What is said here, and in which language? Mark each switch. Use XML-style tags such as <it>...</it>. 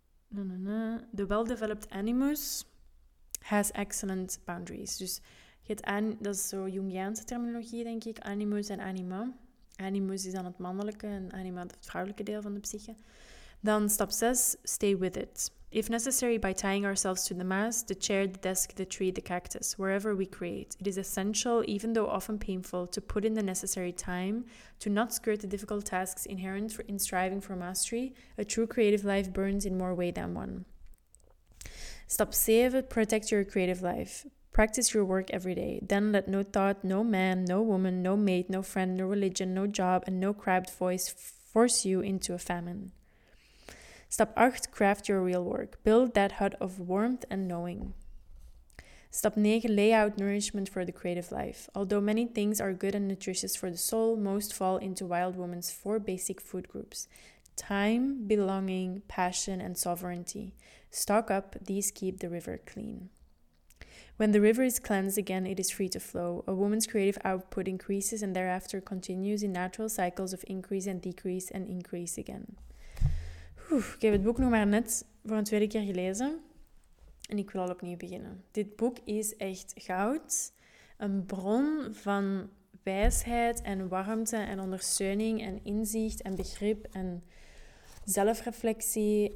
<en>The well-developed animus has excellent boundaries.</en> <nl>Dus dat is zo Jungiaanse terminologie, denk ik. Animus en anima. Animus is dan het mannelijke en anima het vrouwelijke deel van de psyche. Dan stap 6,</nl> <en>stay with it. If necessary, by tying ourselves to the mast, the chair, the desk, the tree, the cactus, wherever we create, it is essential, even though often painful, to put in the necessary time to not skirt the difficult tasks inherent in striving for mastery. A true creative life burns in more way than one. Stap 7, protect your creative life. Practice your work every day. Then let no thought, no man, no woman, no mate, no friend, no religion, no job, and no crabbed voice force you into a famine. Stap 8, craft your real work. Build that hut of warmth and knowing. Stap 9, lay out nourishment for the creative life. Although many things are good and nutritious for the soul, most fall into wild woman's 4 basic food groups. Time, belonging, passion, and sovereignty. Stock up, these keep the river clean. When the river is cleansed again, it is free to flow. A woman's creative output increases and thereafter continues in natural cycles of increase and decrease and increase again.</en> <nl>Ik heb het boek nog maar net voor een tweede keer gelezen. En ik wil al opnieuw beginnen. Dit boek is echt goud. Een bron van wijsheid en warmte en ondersteuning en inzicht en begrip en zelfreflectie.</nl>